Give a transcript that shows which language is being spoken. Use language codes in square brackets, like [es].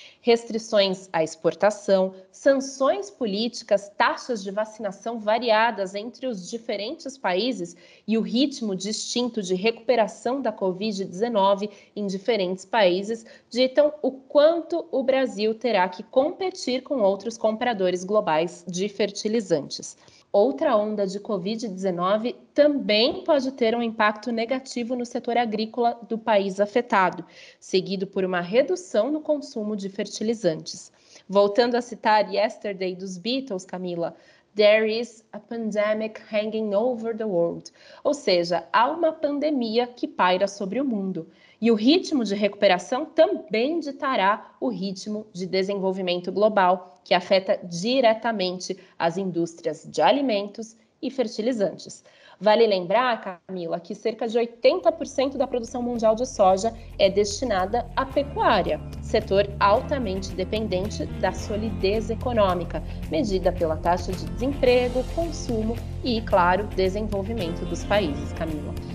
[pt] Restrições à exportação, sanções políticas, taxas de vacinação variadas entre os diferentes países e o ritmo distinto de recuperação da Covid-19 em diferentes países ditam o quanto o Brasil terá que competir com outros compradores globais de fertilizantes. Outra onda de Covid-19 também pode ter um impacto negativo no setor agrícola do país afetado, seguido por uma redução no consumo de fertilizantes. Voltando a citar Yesterday dos Beatles, Camila, [en] there is a pandemic hanging over the world. [pt] Ou seja, há uma pandemia que paira sobre o mundo. E o ritmo de recuperação também ditará o ritmo de desenvolvimento global, que afeta diretamente as indústrias de alimentos e fertilizantes. Vale lembrar, Camila, que cerca de 80% da produção mundial de soja é destinada à pecuária, setor altamente dependente da solidez econômica, medida pela taxa de desemprego, consumo e, claro, desenvolvimento dos países, Camila.